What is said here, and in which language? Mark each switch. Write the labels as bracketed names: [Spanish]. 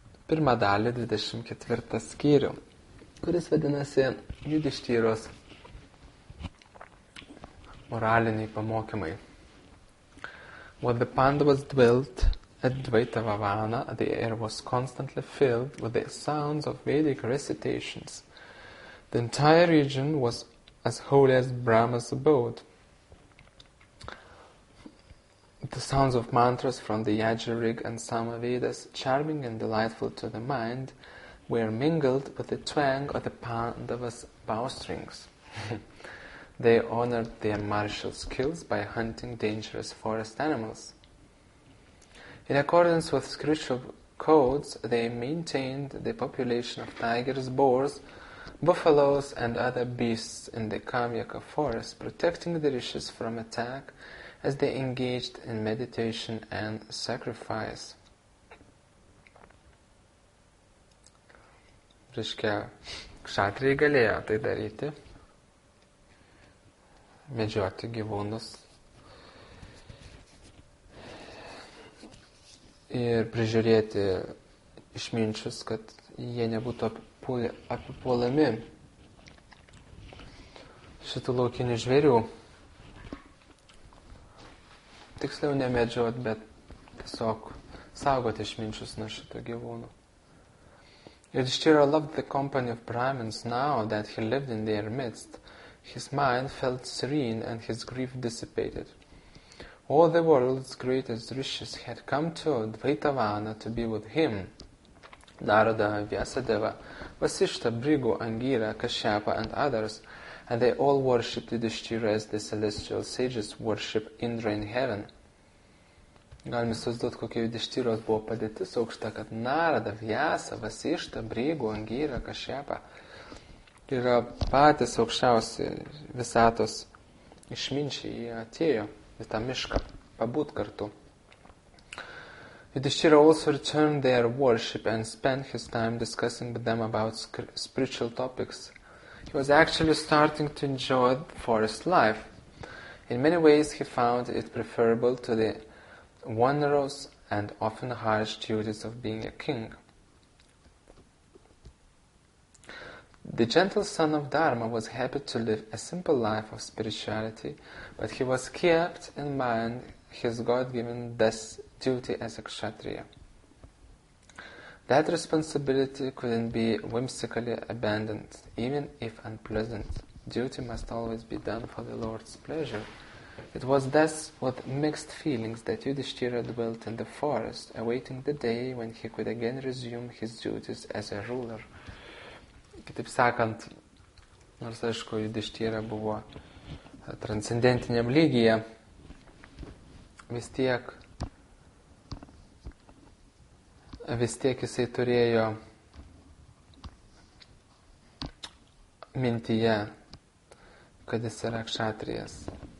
[Lithuanian] Pirmą dalį, 24 skyrių, kuris vadinasi Judištyros moraliniai pamokymai. [English] While the Pandavas dwelt at Dvaitavavana, the air was constantly filled with the sounds of Vedic recitations. The entire region was as holy as Brahma's abode. The sounds of mantras from the Yajurig and Samavedas, charming and delightful to the mind, were mingled with the twang of the Pandavas' bowstrings. They honored their martial skills by hunting dangerous forest animals. In accordance with spiritual codes, they maintained the population of tigers, boars, buffaloes and other beasts in the Kamyaka forest, protecting the rishis from attack as they engaged in meditation and sacrifice. [Lithuanian] Reiškia, kšatrijai galėjo tai daryti, medžioti gyvūnus ir prižiūrėti išminčius, kad jie nebūtų apipuolami šitų laukinių žvėrių. Tiksliau nemedžiot, bet tiesiog saugoti išminčius nuo šito gyvūnų. [English] Yudhishthira loved the company of Brahmins now that he lived in their midst. His mind felt serene and his grief dissipated. All the world's greatest rishis had come to Dvaitavana to be with him. Narada, Vyasadeva, Vasishta, Bhrigu, Angira, Kashyapa and others, and they all worshipped Yudhishthira as the celestial sages worship Indra in heaven. [Lithuanian] Galime įsivaizduoti, kokia Yudhishthiros buvo padėtis aukšta, kad Narada, Vyasa, Vasishta, Bhrigu, Angira, Kashyapa yra patys aukščiausi visatos išminčiai, jie atėjo į tą mišką pabūt kartu. [English] Yudhishthira also returned their worship and spent his time discussing with them about spiritual topics. He was actually starting to enjoy forest life. In many ways, he found it preferable to the wondrous and often harsh duties of being a king. The gentle son of Dharma was happy to live a simple life of spirituality, but he was kept in mind his God-given duty as a kshatriya. That responsibility couldn't be whimsically abandoned, even if unpleasant. Duty must always be done for the Lord's pleasure. It was thus with mixed feelings that Yudhishthira dwelt in the forest, awaiting the day when he could again resume his duties as a ruler. [Lithuanian] Kitaip sakant, nors aišku, Yudhishthira buvo transcendentiniam lygyje, vis tiek jisai turėjo mintyje, kad jis yra kšatrijas.